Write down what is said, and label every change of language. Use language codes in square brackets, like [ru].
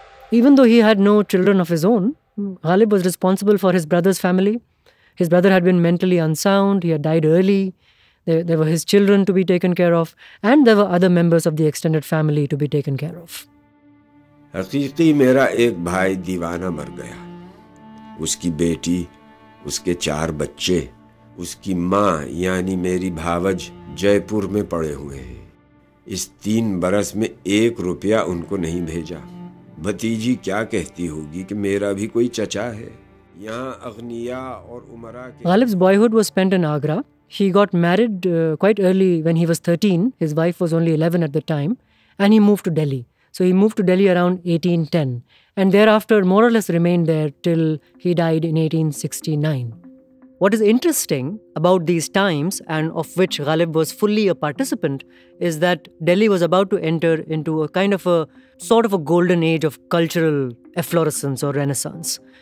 [en] Even though he had no children of his own, Ghalib was responsible for his brother's family. His brother had been mentally unsound. He had died early. There were his children to be taken care of. And there were other members of the extended family to be taken care of. [ur] حقیقی میرا ایک بھائی دیوانہ مر گیا. اس کی بیٹی, اس کے چار بچے, اس کی ماں یعنی میری بھاوج جائے پور میں پڑے ہوئے ہیں. اس تین برس میں ایک روپیہ ان کو نہیں بھیجا. بھتیجی کیا کہتی ہوگی کہ میرا بھی کوئی چچا ہے. [en] Ghalib's boyhood was spent in Agra. He got married quite early when he was 13. His wife was only 11 at the time. And he moved to Delhi. So he moved to Delhi around 1810. And thereafter, more or less remained there till he died in 1869. What is interesting about these times, and of which Ghalib was fully a participant, is that Delhi was about to enter into a kind of a sort of a golden age of cultural efflorescence or renaissance.